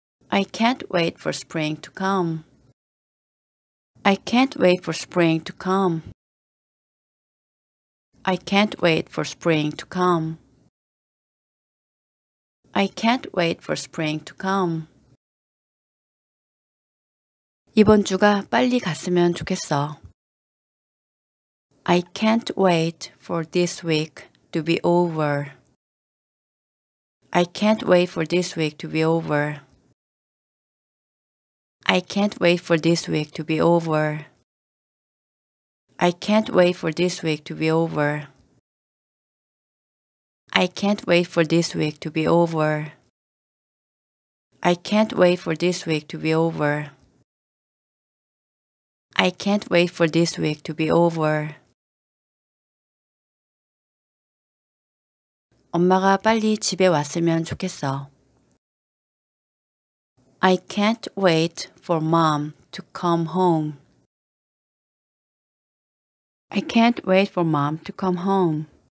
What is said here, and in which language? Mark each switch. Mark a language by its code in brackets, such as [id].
[en] I can't wait for spring to come. I can't wait for spring to come. I can't wait for spring to come. I can't wait for spring to come. [ko] 이번 주가 빨리 갔으면 좋겠어. [en] I can't wait for this week to be over. I can't wait for this week to be over. I can't wait for this week to be over. I can't wait for this week to be over. I can't wait for this week to be over. I can't wait for this week to be over. I can't wait for this week to be over. [ko] 엄마가 빨리 집에 왔으면 좋겠어. [en] I can't wait for mom to come home. I can't wait for mom to come home.